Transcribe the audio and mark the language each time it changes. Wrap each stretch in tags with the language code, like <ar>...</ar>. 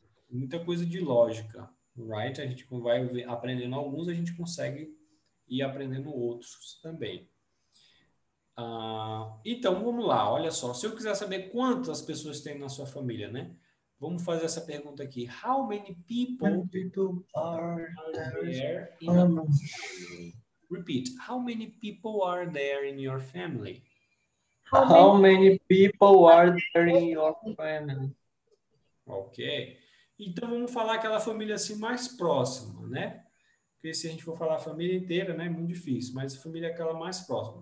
<pt>Muita coisa de lógica, right? A gente vai aprendendo alguns, a gente consegue ir aprendendo outros também. Então, vamos lá, olha só. Se eu quiser saber quantas pessoas tem na sua família, né? Vamos fazer essa pergunta aqui.</pt> <en>How many people are there in your family? Repeat. How many people are there in your family? How many people are there in your family? Ok.</en> <pt>Então, vamos falar aquela família assim mais próxima, né? Porque se a gente for falar a família inteira, né? É muito difícil. Mas a família é aquela mais próxima.</pt>